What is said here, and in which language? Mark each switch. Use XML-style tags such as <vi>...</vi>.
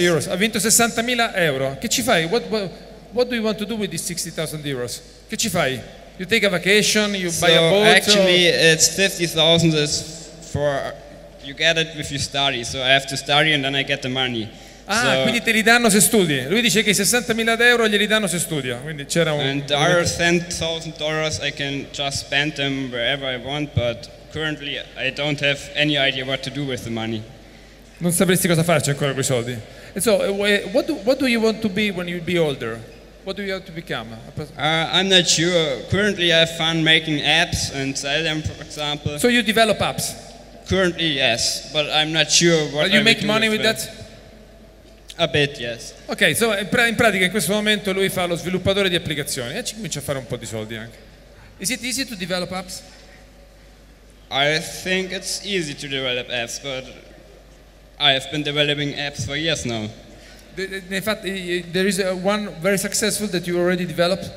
<it>Euros. Ha vinto 60,000 euro. Che ci fai?</it> <en>What do you want to do with these 60,000 euros?</en> <it>Che ci fai?</it> <en>You take a vacation, you buy a boat? Actually, it's 50,000 is for... You get it if you study, so I have to study and then I get the money. Ah, so,</en> <it>quindi te li danno se studi. Lui dice che i 60,000 euro glieli danno se studia. Quindi c'era un...</it> <en>And there are $10,000, I can just spend them wherever I want, but currently I don't have any idea what to do with the money.</en> <it>Non sapresti cosa farci ancora con i soldi.</it> <en>And so, what do you want to be when you be older? What do you have to become? I'm not sure. Currently, I have fun making apps and sell them, for example. So you develop apps? Currently, yes. But I'm not sure what you make money with that? A bit, yes.</en> <it>Okay, so in pratica, in questo momento, lui fa lo sviluppatore di applicazioni. E ci comincia a fare un po' di soldi anche.</it> <en>Is it easy to develop apps? I think it's easy to develop apps, but I have been developing apps for years now. In fact, there is one very successful that you already developed.</en>